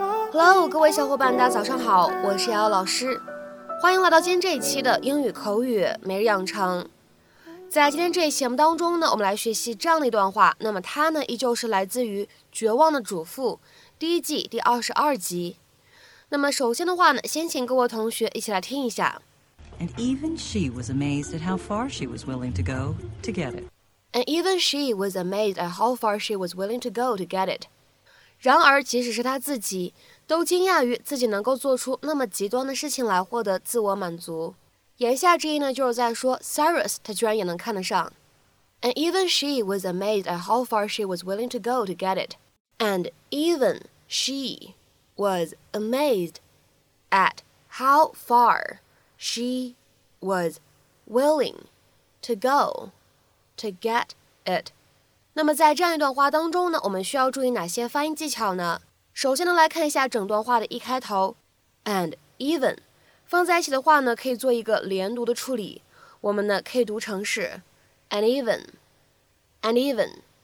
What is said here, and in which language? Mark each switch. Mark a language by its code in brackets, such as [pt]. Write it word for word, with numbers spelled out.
[zh] Hello， 各位小伙伴，大家早上好，我是瑶瑶老师，欢迎来到今天这一期的英语口语每日养成。在今天这一期节目当中呢，我们来学习这样的一段话，那么它呢依旧是来自于《绝望的主妇》第一季第二十二集。那么首先的话呢，先请各位同学一起来听一下。 [en] And even she was amazed at how far she was willing to go to get it. And even she was amazed at how far she was willing to go to get it. [zh] 然而，即使是她自己，都惊讶于自己能够做出那么极端的事情来获得自我满足。言下之意呢，就是在说 Cyrus 他居然也能看得上。 [en] And even she was amazed at how far she was willing to go to get it. And even she was amazed at how far she was willing to go. To get it. [zh] 那么在这样一段话当中呢，我们需要注意哪些发音技巧呢？首先呢，来看一下整段话的一开头 ， [en] and even [zh] 放在一起的话呢，可以做一个连读的处理。我们呢可以读成是 [en] and even, and even。